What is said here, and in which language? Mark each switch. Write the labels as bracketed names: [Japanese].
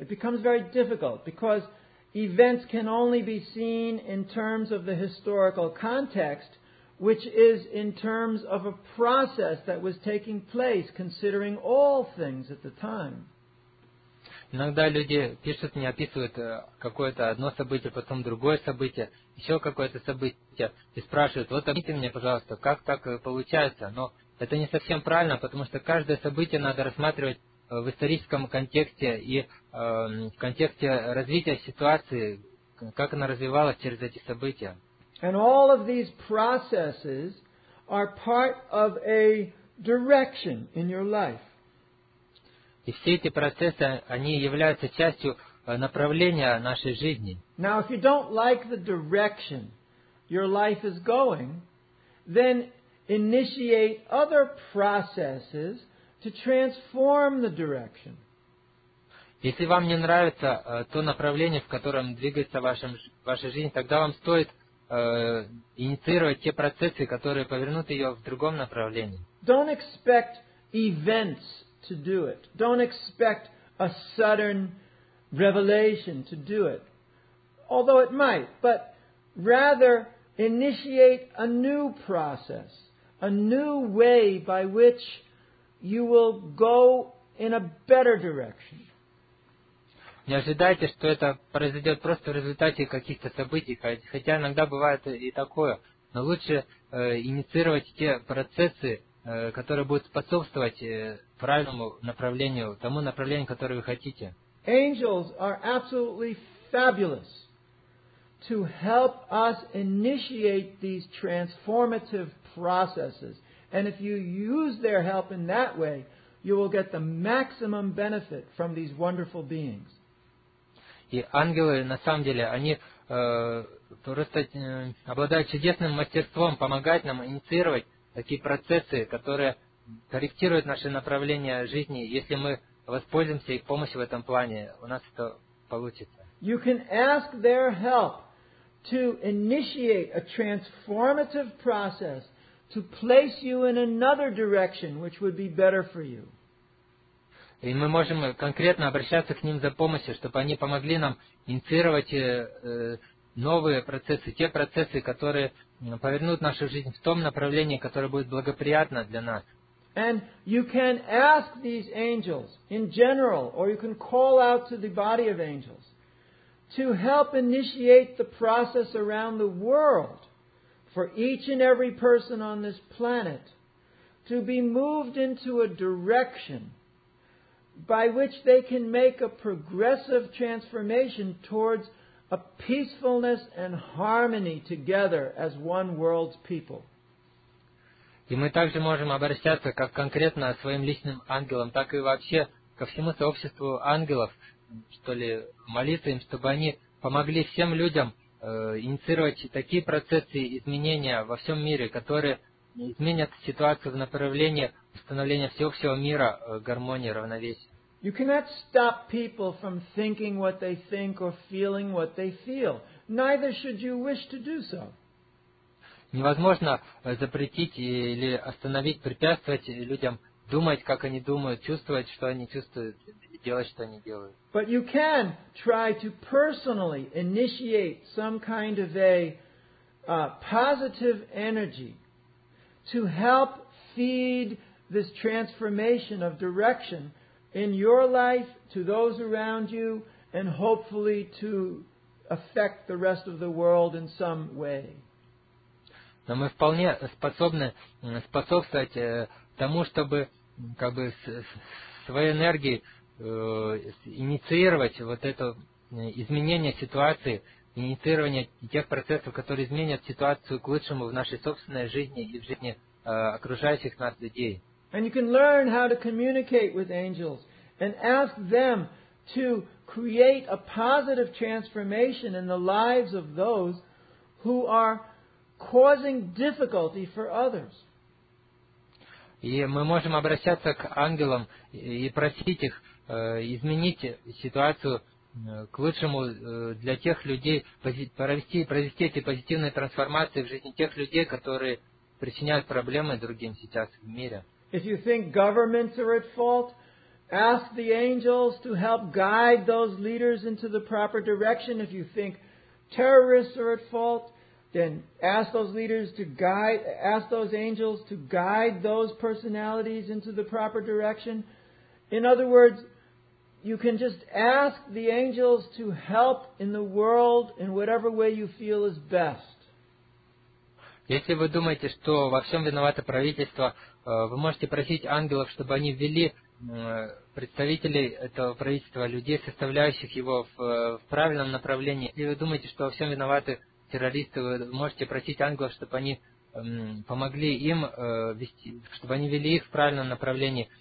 [English] It becomes very difficult because events can only be seen in terms of the historical context, which is in terms of a process that was taking place, considering all things at the time. [Russian] Иногда люди пишут мне, описывают какое-то одно событие, потом другое событие, еще какое-то событие, и спрашивают, вот объясните мне, пожалуйста, как так получается. Но это не совсем правильно, потому что каждое событие надо рассматривать в историческом контексте и в контексте развития ситуации, как она развивалась через эти события. [English] And all of these processes are part of a direction in your life. [Russian] И все эти процессы, они являются частью направления нашей жизни. [English] Now, if you don't like the direction your life is going, then initiate other processes to transform the direction. [Russian] Если вам не нравится то направление, в котором двигается ваша жизнь, тогда вам стоит инициировать те процессы, которые повернут ее в другом направлении. [English] Don't expect events to do it. Don't expect a sudden revelation to do it. Although it might, but rather initiate a new process, a new way by which you will go in a better direction. [Russian] Не ожидайте, что это произойдет просто в результате каких-то событий, хотя иногда бывает и такое. Но лучше инициировать те процессы, которые будут способствовать правильному направлению, тому направлению, которое вы хотите. [English] Angels are absolutely fabulous to help us initiate these transformative processes. And if you use their help in that way, you will get the maximum benefit from these wonderful beings. [Russian] И ангелы, на самом деле, они просто обладают чудесным мастерством помогать нам инициировать такие процессы, которые корректируют наши направления жизни. Если мы воспользуемся их помощью в этом плане, у нас это получится. [English] You can ask their help to initiate a transformative process to place you in another direction, which would be better for you. [Russian] И мы можем конкретно обращаться к ним за помощью, чтобы они помогли нам инициировать новые процессы, те процессы, которые повернут нашу жизнь в том направлении, которое будет благоприятно для нас. [English] And you can ask these angels in general, or you can call out to the body of angels to help initiate the process around the world for each and every person on this planet to be moved into a direction by which they can make a progressive transformation towards a peacefulness and harmony together as one world's people. [Russian] И мы также можем обращаться как конкретно своим личным ангелам, так и вообще ко всему сообществу ангелов, что ли, молиться им, чтобы они помогли всем людям инициировать такие процессы изменения во всем мире, которые изменят ситуацию в направлении установления всеобщего мира, гармонии, равновесия. [English] You cannot stop people from thinking what they think or feeling what they feel. neither should you wish to do so. [Russian] Невозможно запретить или остановить, препятствовать людям думать, как они думают, чувствовать, что они чувствуют, делать, что они делают. [English] But you can try to personally initiate some kind of a positive energy to help feed this transformation of direction in your life, to those around you, and hopefully to affect the rest of the world in some way. [Russian] Но мы вполне способны способствовать тому, чтобы как бы своей энергией инициировать вот это изменение ситуации, инициирование тех процессов, которые изменят ситуацию к лучшему в нашей собственной жизни и в жизни окружающих нас людей. [English] And you can learn how to communicate with angels and ask them to create a positive transformation in the lives of those who are causing difficulty for others. [Russian] И мы можем обращаться к ангелам и просить их изменить ситуацию к лучшему для тех людей, провести эти позитивные трансформации в жизни тех людей, которые причиняют проблемы другим сейчас в мире. [English] If you think governments are at fault, ask the angels to help guide those leaders into the proper direction. If you think terrorists are at fault, then ask those leaders to guide, ask those angels to guide those personalities into the proper direction. In other words, you can just ask the angels to help in the world in whatever way you feel is best. [Russian] Если вы думаете, что во всем виновато правительство, вы можете просить ангелов, чтобы они ввели представителей этого правительства, людей, составляющих его в правильном направлении. Если вы думаете, что во всем виноваты террористы, вы можете просить ангелов, чтобы они помогли им вести, чтобы они вели их в правильном направлении.